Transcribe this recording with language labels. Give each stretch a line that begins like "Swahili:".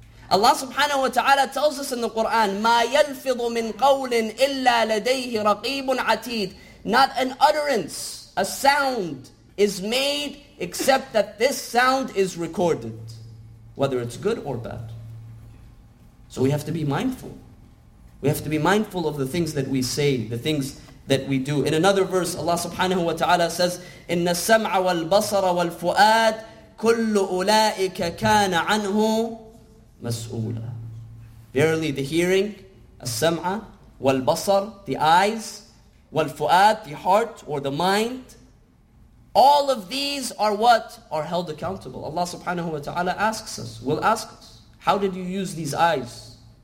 English: Allah subhanahu wa ta'ala tells us in the Quran,
Arabic: مَا يَلْفِظُ مِنْ قَوْلٍ إِلَّا لَدَيْهِ رَقِيبٌ عَتِيدٌ.
English: Not an utterance, a sound is made except that this sound is recorded, whether it's good or bad. So we have to be mindful. We have to be mindful of the things that we say, the things that we do. In another verse, Allah subhanahu wa ta'ala says,
Arabic: إِنَّ السَّمْعَ وَالْبَصَرَ وَالْفُؤَادِ كُلُّ أُولَٰئِكَ كَانَ عَنْهُ مَسْؤُولًا.
English: Verily the hearing,
Arabic: السَّمْعَ وَالْبَصَرَ,
English: the eyes, وَالْفُؤَادِ, the heart or the mind, all of these are what? Are held accountable. Allah subhanahu wa ta'ala asks us, will ask us, how did you use these eyes?